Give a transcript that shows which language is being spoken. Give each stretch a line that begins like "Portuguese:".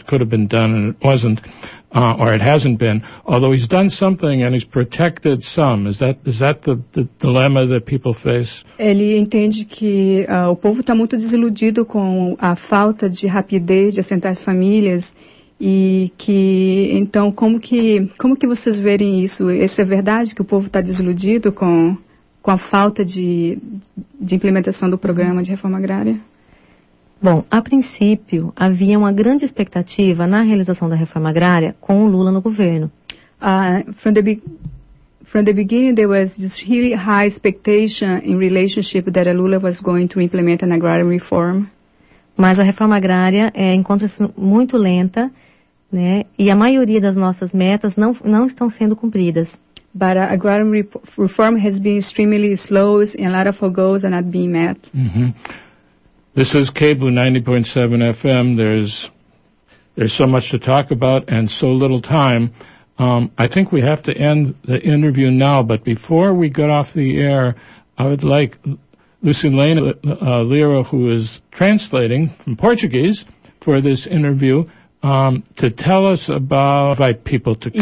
English: It could have been done, and it wasn't, or it hasn't been. Although he's done something, and he's protected some. Is that the dilemma that people face?
Portuguese: Ele entende que o povo está muito desiludido com a falta de rapidez de assentar famílias. E que, então, como que vocês verem isso? Isso é verdade, que o povo está desiludido com a falta de implementação do programa de reforma agrária? Bom, a princípio, havia uma grande expectativa na realização da reforma agrária com o Lula no governo.
English: From the beginning, there was this really high expectation in relationship that Lula was going to implement an agrarian reform.
Portuguese: Mas a reforma agrária encontra-se muito lenta, né? E a maioria das nossas metas não estão sendo cumpridas.
English: But agrarian reform has been extremely slow and a lot of our goals are not being met. Mm-hmm. This is KBOO 90.7 FM. There's so much to talk about and so little time. I think we have to end the interview now, but before we get off the air, I would like Lucilene Lira, who is translating from Portuguese for this interview, to tell us about, invite people to come.